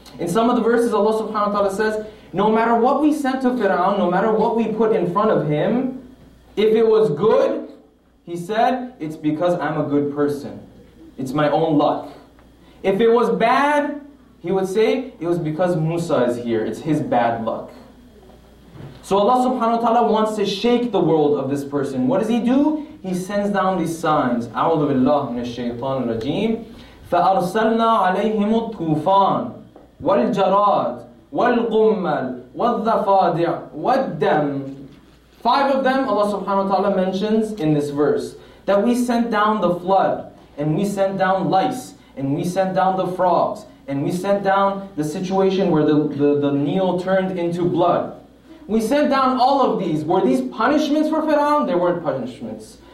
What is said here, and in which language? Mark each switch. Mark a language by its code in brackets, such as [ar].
[en] In some of the verses, Allah subhanahu wa ta'ala says, no matter what we sent to Fir'aun, no matter what we put in front of him, if it was good, he said, it's because I'm a good person. It's my own luck. If it was bad, he would say, it was because Musa is here. It's his bad luck. So Allah subhanahu wa ta'ala wants to shake the world of this person. What does he do? He sends down these signs. [ar] A'udhu billahi minash shaitanir rajeem. فَأَرْسَلْنَا عَلَيْهِمُ الطُّوفَانِ والجراد والقمل والضفادع والدم. [en] 5 of them Allah subhanahu wa ta'ala mentions in this verse. That we sent down the flood, and we sent down lice, and we sent down the frogs, and we sent down the situation where the Nile turned into blood. We sent down all of these. Were these punishments for Fir'aun? They weren't punishments.